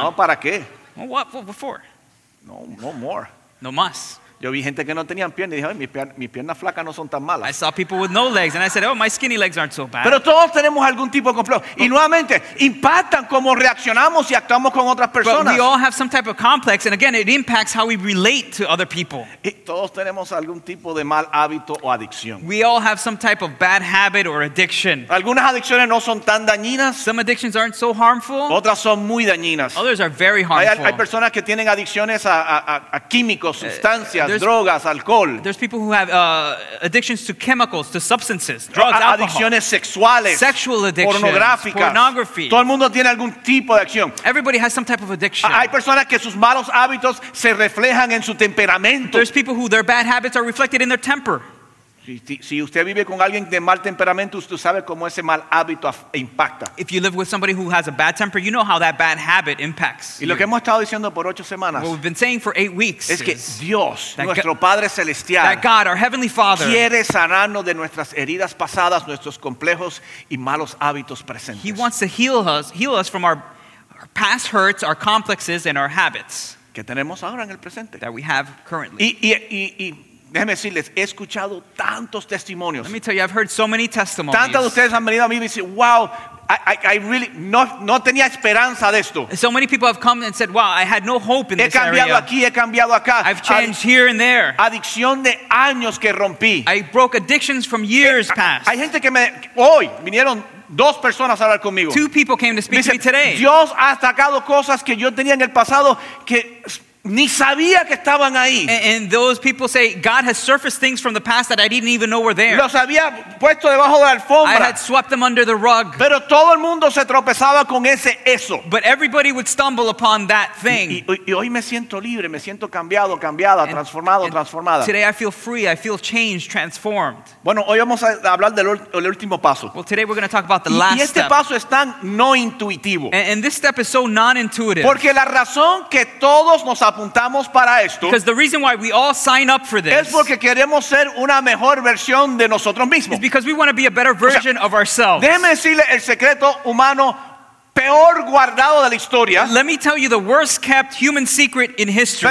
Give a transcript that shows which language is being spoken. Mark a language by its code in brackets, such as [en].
[es] No, ¿para qué? [en] Well, what for? No, no more. [es] No más. Yo vi gente que no tenían piernas y dije, mis piernas flacas no son tan malas. [en] I saw people with no legs and I said, oh, my skinny legs aren't so bad. [es] Pero todos tenemos algún tipo de complejo. Y nuevamente, impactan cómo reaccionamos y actuamos con otras personas. [en] But we all have some type of complex and again, it impacts how we relate to other people. [es] Y todos tenemos algún tipo de mal hábito o adicción. [en] We all have some type of bad habit or addiction. [es] Algunas adicciones no son tan dañinas. [en] Some addictions aren't so harmful. [es] Otras son muy dañinas. [en] Others are very harmful. [es] Hay personas que tienen adicciones a químicos, sustancias. Drogas, alcohol. [en] There's people who have addictions to chemicals, to substances, drugs, alcohol. [es] Adicciones sexuales, [en] sexual addictions, [es] pornográficas. [en] Pornography. [es] Todo el mundo tiene algún tipo de adicción. [en] Everybody has some type of addiction. [es] Hay personas que sus malos hábitos se reflejan en su temperamento. [en] There's people who their bad habits are reflected in their temper. [es] Si usted vive con alguien de mal temperamento, usted sabe cómo ese mal hábito impacta. [en] If you live with somebody who has a bad temper, you know how that bad habit impacts. [es] Y lo que hemos estado diciendo por 8 semanas. [en] What we've been saying for 8 weeks [es] es que Dios, nuestro Padre celestial, [en] that God, our Heavenly Father, [es] quiere sanarnos de nuestras heridas pasadas, nuestros complejos y malos hábitos presentes. [en] He wants to heal us from our past hurts, our complexes, and our habits. [es] Que tenemos ahora en el presente. [en] That we have currently. [es] Y déjeme decirles, he escuchado tantos testimonios. [en] Let me tell you, I've heard so many testimonies. [es] Tantas de ustedes han venido a mí y dicen, [en] wow, I really, [es] no tenía esperanza de esto. [en] So many people have come and said, wow, I had no hope in this area. [es] He cambiado aquí, he cambiado acá. [en] I've changed here and there. [es] Adicción de años que rompí. [en] I broke addictions from years past. [es] Hay gente que hoy vinieron dos personas a hablar conmigo. [en] Two people came to speak to me today. [es] Dios ha atacado cosas que yo tenía en el pasado que ni sabía que estaban ahí. [en] And those people say God has surfaced things from the past that I didn't even know were there. [es] Los había puesto debajo de la alfombra. [en] I had swept them under the rug. [es] Pero todo el mundo se tropezaba con ese eso. [en] But everybody would stumble upon that thing. [es] Y hoy me siento libre, me siento cambiado, cambiada, transformado, transformada. [en] Today I feel free, I feel changed, transformed. [es] Bueno, hoy vamos a hablar del último paso. [en] Well, today we're going to talk about the last [es] step. Y este paso es tan no intuitivo. [en] And this step is so non-intuitive. [es] Porque la razón que todos nos apuntamos para esto, [en] because the reason why we all sign up for this, [es] es porque queremos ser una mejor versión de nosotros mismos. [en] Is because we want to be a better version, [es] o sea, [en] of ourselves. [es] Déjeme decirle el secreto humano peor guardado de la historia. [en] Let me tell you the worst kept human secret in history.